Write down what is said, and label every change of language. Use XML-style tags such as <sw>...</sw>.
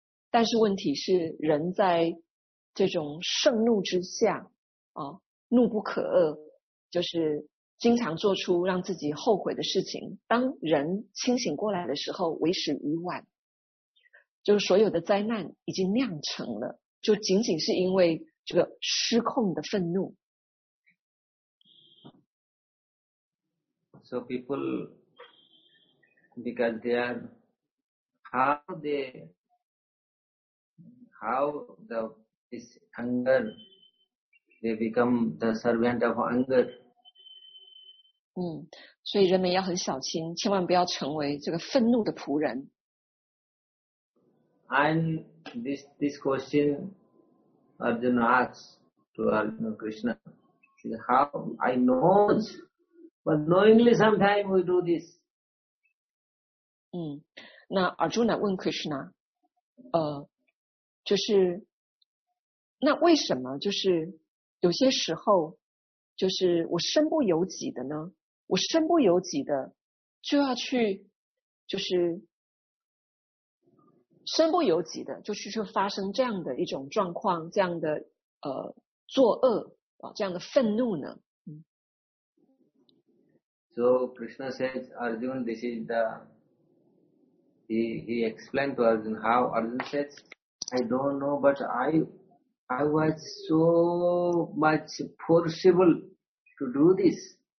<zh>但是问题是，人在这种盛怒之下，怒不可遏，就是经常做出让自己后悔的事情。当人清醒过来的时候，为时已晚，就是所有的灾难已经酿成了，就仅仅是因为这个失控的愤怒。</zh> <en>So people, because they are, how this anger,They become the servant of anger.</en> <zh>所以人们要很小心，千万不要成为这个愤怒的仆人。</zh> <en>And this question Arjuna asks to Arjuna Krishna, how I know, but knowingly sometimes we do this.</en> <zh>那 Arjuna 问 Krishna, 就是那为什么就是有些时候就是我身不由己的呢，我身不由己的就要去就是身不由己的就是去发生这样的一种状况，这样的作恶，这样的愤怒呢。</zh> <en>So Krishna says Arjuna, this is the he explained to Arjuna how Arjuna says I don't know but I was so much forcible to do this.</en>